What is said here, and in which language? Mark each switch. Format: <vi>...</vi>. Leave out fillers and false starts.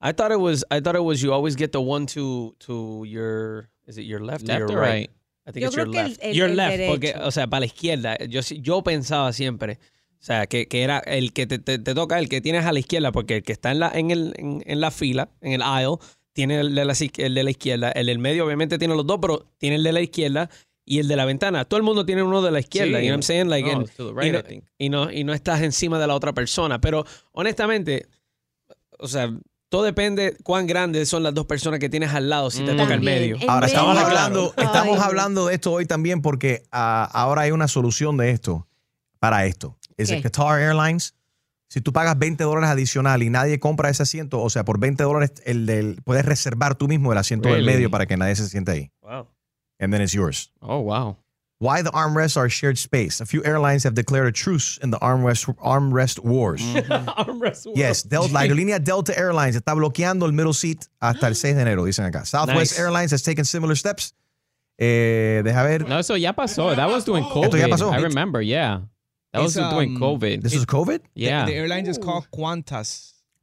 <en>I thought it was you always get the one to your, is it your left or your right? I think yo it's your left.</en> <es>Porque para la izquierda. Yo pensaba siempre, o sea, que era el que te toca, el que tienes a la izquierda, porque el que está en la fila, en el aisle, tiene el de la izquierda. El del medio obviamente tiene los dos, pero tiene el de la izquierda. Y el de la ventana, todo el mundo tiene uno de la izquierda, sí,</es> <en>you know what I'm saying?</en> <es>Y no estás encima de la otra persona, pero honestamente, o sea, todo depende cuán grandes son las dos personas que tienes al lado si te toca el medio. Ahora estamos hablando de esto hoy también porque ahora hay una solución de esto para esto. Es el Qatar Airlines. Si tú pagas $20 adicional y nadie compra ese asiento, o sea, por $20 puedes reservar tú mismo el asiento del medio para que nadie se siente ahí. Wow.</es> <en>And then it's yours. Oh, wow. Why the armrests are shared space? A few airlines have declared a truce in the armrest wars. Mm-hmm. Armrest wars.</en> <es>Yes, la aerolínea Delta Airlines está bloqueando el middle seat hasta el 6 de enero, dicen acá.</es> <en>Southwest Airlines has taken similar steps.</en> <es>Deja ver. No, eso ya pasó.</es> <en>That was during COVID.</en> <es>Esto ya pasó.</es> <en>I remember, yeah. That was during COVID. This is COVID? Yeah. The airline is called Qantas.</en>